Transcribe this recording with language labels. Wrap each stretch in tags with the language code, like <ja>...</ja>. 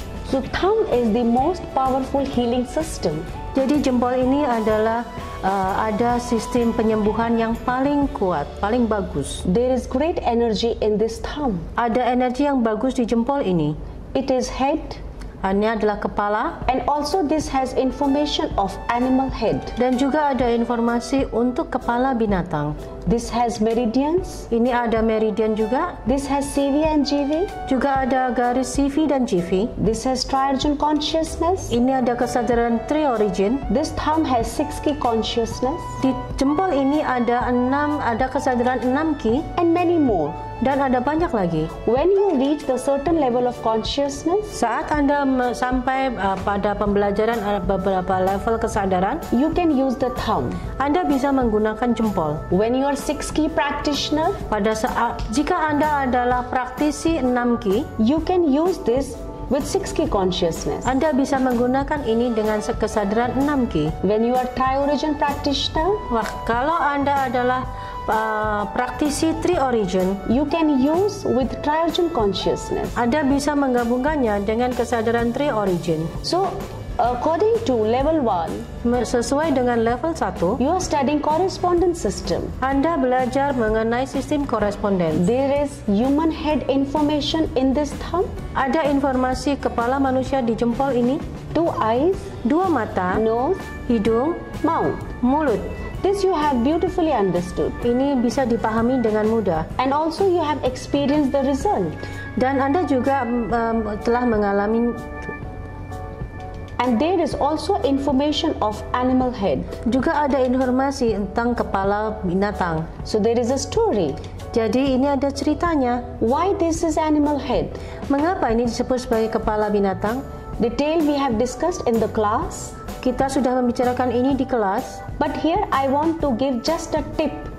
<en>So thumb is the most powerful healing system.</en> <id>Jadi jempol ini adalah ada sistem penyembuhan yang paling kuat, paling bagus.</id> <en>There is great energy in this thumb.</en> <id>Ada energi yang bagus di jempol ini.</id> <en>It is head.</en> <id>Ini adalah kepala.</id> <en>And also this has information of animal head.</en> <id>Dan juga ada informasi untuk kepala binatang.</id> <en>This has meridians.</en> <id>Ini ada meridian juga.</id> <en>This has CV and GV.</en> <id>Juga ada garis CV dan GV.</id> <en>This has triorigin consciousness.</en> <id>Ini ada kesadaran triorigin.</id> <en>This thumb has six key consciousness.</en> <id>Di jempol ini ada kesadaran 6 key.</id> <en>And many more.</en> <id>Dan ada banyak lagi.</id> <en>When you reach the certain level of consciousness,</en> <id>saat Anda sampai pada pembelajaran beberapa level kesadaran,</id> <en>you can use the thumb.</en> <id>Anda bisa menggunakan jempol.</id> <en>When you are six key practitioner,</en> <id>pada saat jika Anda adalah praktisi 6 key,</id> <en>you can use this with six key consciousness.</en> <id>Anda bisa menggunakan ini dengan kesadaran 6 key.</id> <en>When you are triorigin practitioner,</en> <id>wah, kalau Anda adalah praktisi tri origin,</id> <en>you can use with triorigin consciousness.</en> <id>Anda bisa menggabungkannya dengan kesadaran tri origin.</id> <en>So according to level 1,</en> <id>sesuai dengan level 1,</id> <en>you are studying correspondence system.</en> <id>Anda belajar mengenai sistem correspondence.</id> <en>There is human head information in this thumb.</en> <id>Ada informasi kepala manusia di jempol ini.</id> <en>Two eyes,</en> <id>dua mata.</id> <en>Nose,</en> <id>hidung.</id> <en>Mouth,</en> <id>mulut.</id> <en>This you have beautifully understood.</en> <id>Ini bisa dipahami dengan mudah.</id> <en>And also you have experienced the result.</en> <id>Dan Anda juga telah mengalami.</id> <en>And there is also information of animal head.</en> <id>Juga ada informasi tentang kepala binatang.</id> <en>So there is a story.</en> <id>Jadi ini ada ceritanya.</id> <en>Why this is animal head?</en> <id>Mengapa ini disebut sebagai kepala binatang?</id> <en>The tail we have discussed in the class.</en> <id>Kita sudah membicarakan ini di kelas.</id> <en>But here I want to give just a tip.</en>